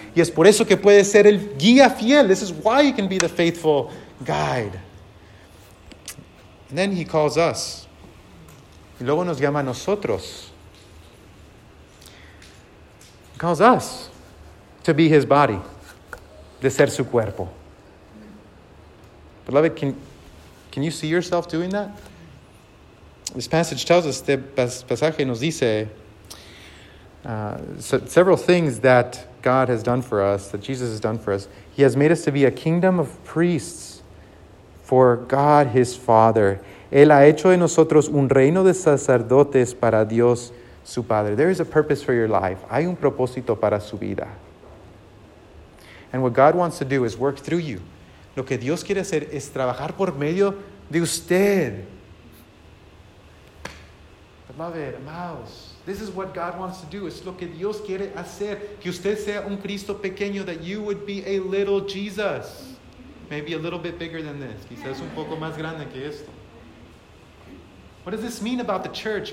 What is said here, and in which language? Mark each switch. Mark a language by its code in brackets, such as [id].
[es] Y es por eso que puede ser el guía fiel. [en] This is why he can be the faithful guide. And then he calls us. [es] Y luego nos llama a nosotros. [en] He calls us to be his body. [es] De ser su cuerpo. [en] Beloved, can you see yourself doing that? This passage tells us, [es] este pasaje nos dice [en] several things that God has done for us, that Jesus has done for us. He has made us to be a kingdom of priests for God his Father. [es] Él ha hecho de nosotros un reino de sacerdotes para Dios su Padre. [en] There is a purpose for your life. [es] Hay un propósito para su vida. [en] And what God wants to do is work through you. [es] Lo que Dios quiere hacer es trabajar por medio de usted. [en] Beloved, amados, this is what God wants to do. [es] Es lo que Dios quiere hacer. Que usted sea un Cristo pequeño, [en] that you would be a little Jesus. Maybe a little bit bigger than this. [es] Quizás un poco más grande que esto. [en] What does this mean about the church?